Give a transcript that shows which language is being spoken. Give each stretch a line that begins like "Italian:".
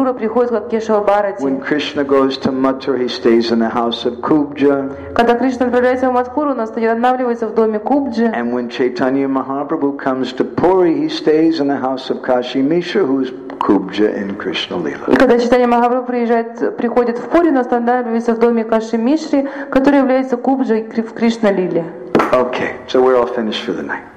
English: When Krishna goes to Mathura, he stays in the house of Kubja.
Russian: Когда Кришна отправляется в Матхуру, он останавливается в доме Кубджи.
English: And when Chaitanya Mahaprabhu comes to Puri, he stays in the house of Kashi Mishra, who is Kubja in Krishna Lila.
Russian: И когда Чайтанья Махапрабху приходит в Пури, он останавливается в доме Каши Мишри, который является Кубджа в Кришна Лиле.
English: Okay, so we're all finished for the night.